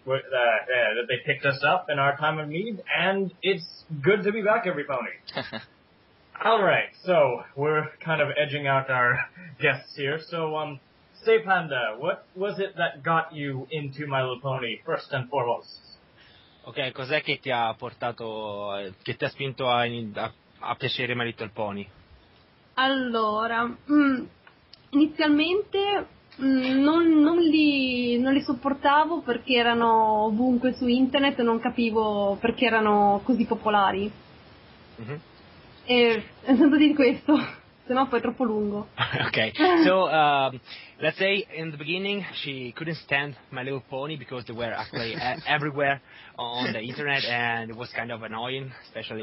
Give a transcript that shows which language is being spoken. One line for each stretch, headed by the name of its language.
English: that they picked us up in our time of need, and it's good to be back, every pony. All right, so we're kind of edging out our guests here. So, Stay Panda, what was it that got you into My Little Pony, first and foremost?
Italian: Okay, cos'è che ti ha portato, che ti ha spinto a piacere My Little Pony? Allora, inizialmente non li sopportavo perché erano ovunque su internet e non capivo perché erano così popolari. Mm-hmm. Tanto di questo, sennò poi è troppo lungo.
English: Okay, so let's say in the beginning she couldn't stand My Little Pony because they were actually everywhere on the internet and it was kind of annoying, especially.